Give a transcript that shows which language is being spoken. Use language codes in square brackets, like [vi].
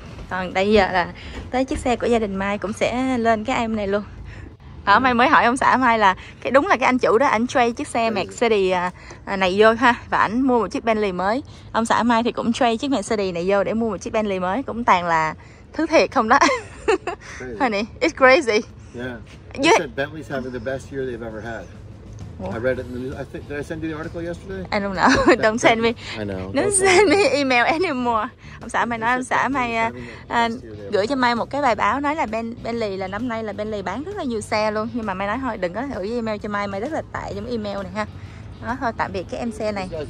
[vi] Còn bây giờ là tới chiếc xe của gia đình Mai cũng sẽ lên cái em này luôn. Ở Mai mới hỏi ông xã Mai là cái đúng là cái anh chủ đó, anh trade chiếc xe Mercedes này vô ha, và anh mua một chiếc Bentley mới. Ông xã Mai thì cũng trade chiếc Mercedes này vô để mua một chiếc Bentley mới, cũng toàn là thứ thiệt không đó. [en] Honey, it's crazy. Yeah. They said Bentley's having the best year they've ever had. I read it in the news. I think, did I send you the article yesterday? I don't know. Don't send me. I know. Don't send me email anymore. [vi] Ông xã Mai nói, ông xã Mai gửi cho Mai một cái bài báo nói là Bentley là năm nay là Bentley bán rất là nhiều xe luôn. Nhưng mà Mai nói thôi, đừng có gửi email cho Mai. Mai rất là tại trong email này ha. Đó, thôi tạm biệt cái em xe này.